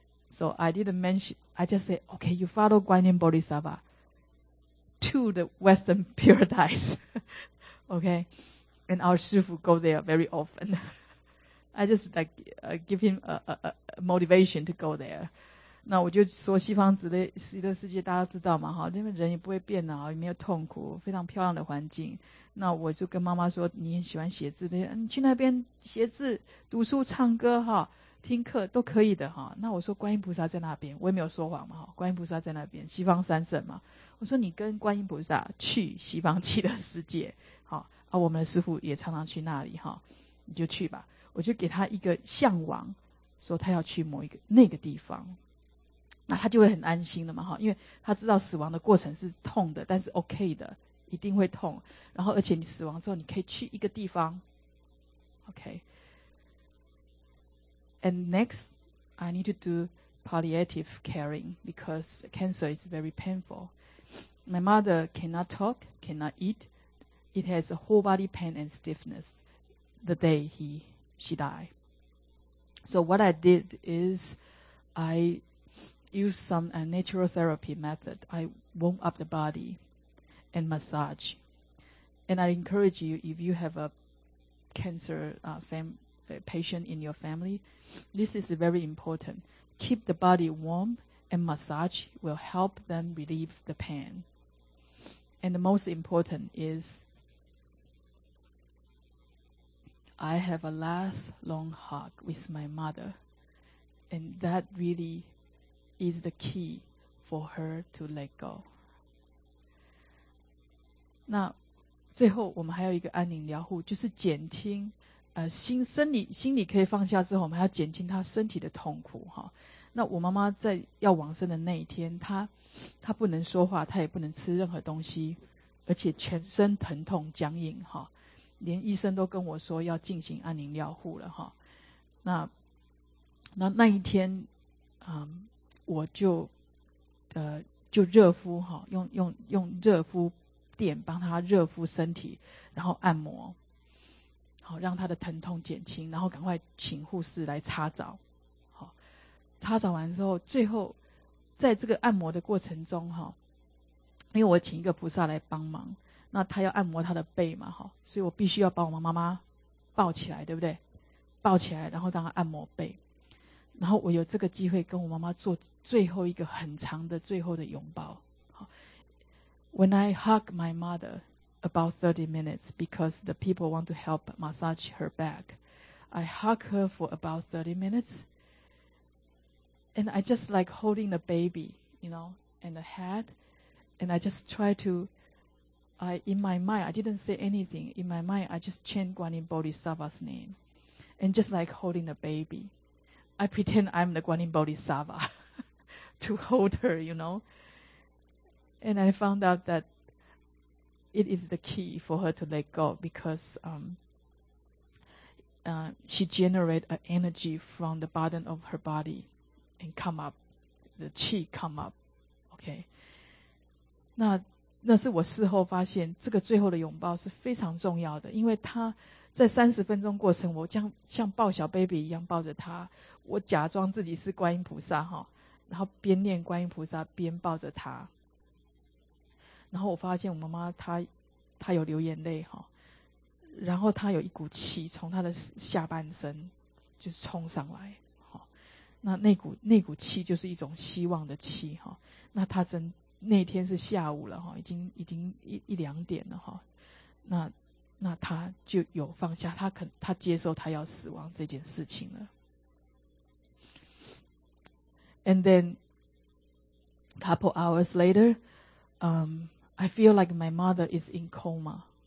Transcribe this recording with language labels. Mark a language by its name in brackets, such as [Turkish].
[English] So I didn't mention, I just said, okay, you follow Guanyin Bodhisattva to the Western paradise. Okay? And our Shifu go there very often. I just give him a motivation to go there. [Chinese] 那我就说西方极乐世界大家知道嘛，哈，那边人也不会变老，也没有痛苦，非常漂亮的环境。那我就跟妈妈说，你很喜欢写字的，你去那边写字、读书、唱歌，哈，听课都可以的，哈。那我说观音菩萨在那边，我也没有说谎嘛，哈，观音菩萨在那边，西方三圣嘛。我说你跟观音菩萨去西方极乐世界，好，啊，我们的师父也常常去那里，哈，你就去吧。我就给他一个向往，说他要去某一个那个地方。那他就会很安心的嘛，因为他知道死亡的过程是痛的，但是 OK 的，一定会痛，然后而且你死亡之后你可以去一个地方 OK. [English] And next I need to do palliative caring because cancer is very painful. My mother cannot talk, cannot eat. It has a whole body pain and stiffness the day she died. So what I did is I use some natural therapy method. I warm up the body and massage. And I encourage you, if you have a cancer patient in your family, this is very important. Keep the body warm and massage will help them relieve the pain. And the most important is I have a last long hug with my mother. And that really... is the key for her to let go. 那 [Chinese] 最后我们还有一个安宁疗护，就是减轻心理可以放下之后，我们还要减轻他身体的痛苦哈。那我妈妈在要往生的那一天，她不能说话，她也不能吃任何东西，而且全身疼痛僵硬哈，连医生都跟我说要进行安宁疗护了哈。那一天，我就热敷哈，用热敷垫帮她热敷身体，然后按摩，好让她的疼痛减轻，然后赶快请护士来擦澡。擦澡完之后，最后在这个按摩的过程中，因为我请一个菩萨来帮忙，那他要按摩他的背嘛，所以我必须要把我妈妈抱起来，对不对？抱起来，然后让他按摩背，然后我有这个机会跟我妈妈做最后一个很长的最后的拥抱。 [English] When I hug my mother about 30 minutes because the people want to help massage her back, I hug her for about 30 minutes. And I just like holding the baby, you know, and the head. And I just try to, in my mind, I didn't say anything. In my mind, I just chant Guanyin Bodhisattva's name. And just like holding the baby. I pretend I'm the Guanyin Bodhisattva to hold her, you know. And I found out that it is the key for her to let go because, she generates an energy from the bottom of her body. And come up, the chi come up, okay. [Chinese] 那是我事后发现，这个最后的拥抱是非常重要的，因为他在30分钟过程，我像抱小 baby 一样抱着他，我假装自己是观音菩萨哈，然后边念观音菩萨边抱着他，然后我发现我妈妈她有流眼泪哈，然后她有一股气从她的下半身就冲上来。那股气就是一种希望的气哈。那他真那天是下午了哈，已经一两点了哈。那他就有放下，他接受他要死亡这件事情了。 [English] And then couple hours later, I feel like my mother is in coma.